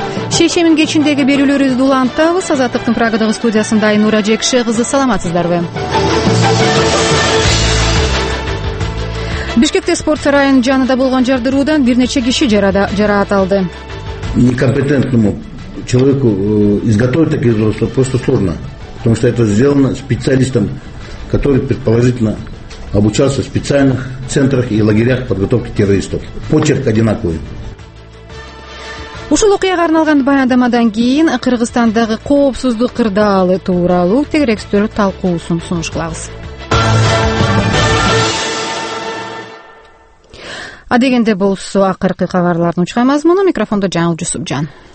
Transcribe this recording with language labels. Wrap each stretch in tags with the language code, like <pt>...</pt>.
<ky>Шейшемин кечиндеги берүүлөрүбүздү улантабыз. Азаттыктын Прагадагы студиясында Айнура Жекши кызы, саламатсыздарбы? Бишкекте спорт сарайынын жанында болгон жардыруудан бир нече киши жараат алды.</ky> <ru>Некомпетентному человеку изготовить такие взрослые просто сложно, потому что это сделано специалистом, который предположительно обучался в специальных центрах и лагерях подготовки террористов. Почерк одинаковый.</ru> <ky>Ушул окуяга арналган баяндамадан кийин Кыргызстандагы коопсуздук кырдаалы тууралуу тегерек сөздөр талкуусун сунуш кылабыз. А дегенде болсо акыркы кабарлардын учкаймаз муну микрофондо Жаңыл Жусупжан.</ky>